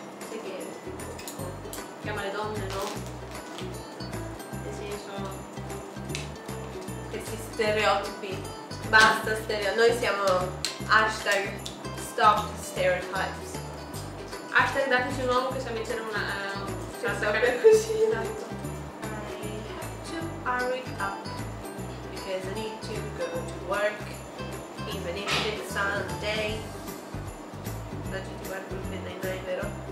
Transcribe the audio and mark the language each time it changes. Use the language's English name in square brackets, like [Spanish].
[Italian] Sai che chiama le donne, no? Nel senso, questi stereotipi. Basta stereotipi. Noi siamo [English] hashtag stop stereotypes. [Italian] Hashtag dateci un uomo che sa mettere una sacca così. [English] I have to hurry up because I need to go to work even if it's Sunday. [Italian] La gente guarda il film in live, vero?